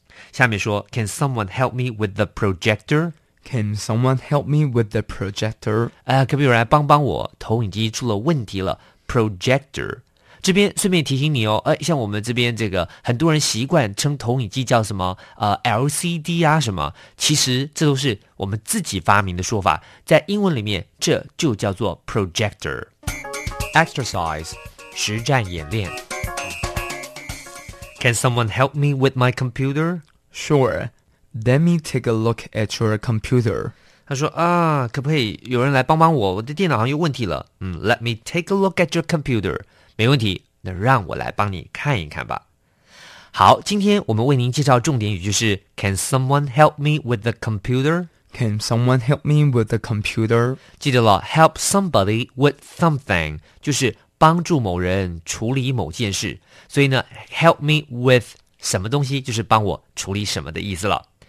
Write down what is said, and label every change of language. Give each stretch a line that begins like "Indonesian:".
Chinese: 下面说
English: Can someone help me with the projector? Can someone help me with the projector?
Chinese: 可不可以有人来帮帮我，投影机出了问题了。 Projector 这边顺便提醒你哦，像我们这边这个很多人习惯称投影机叫什么LCD 啊什么，其实这都是我们自己发明的说法，在英文里面这就叫做
English: projector。
Chinese: Exercise 实战演练。
English: Can someone help me with my computer? Sure, let me take a look at your computer.
Chinese: 他说啊，可不可以有人来帮帮我，我的电脑好像有问题了。
English: 嗯， Let me take a look at your computer.
Chinese: 没问题，那让我来帮你看一看吧。好，今天我们为您介绍重点语句是
English: Can someone help me with the computer? Can someone help me with the computer?
Chinese: 记得了，
English: help somebody with something
Chinese: 就是帮助某人处理某件事，所以呢
English: help me with
Chinese: 什么东西就是帮我处理什么的意思了。